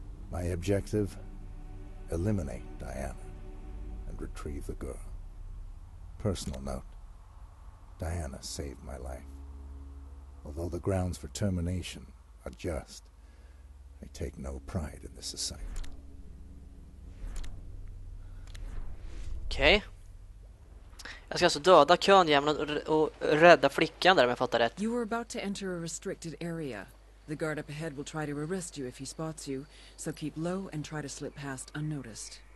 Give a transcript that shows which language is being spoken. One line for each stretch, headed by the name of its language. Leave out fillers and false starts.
English: My objective, eliminate Diana and retrieve the girl. Personal note, Diana saved my life. Although the grounds for termination are just, I take no pride in this assignment. Okej. Okay.
Swedish: Jag ska alltså döda könjämnen och rädda flickan där, om jag fattar rätt.
English: You were about to enter a restricted area. The guard up ahead will try to arrest you if he spots you, so keep low and try to slip past unnoticed.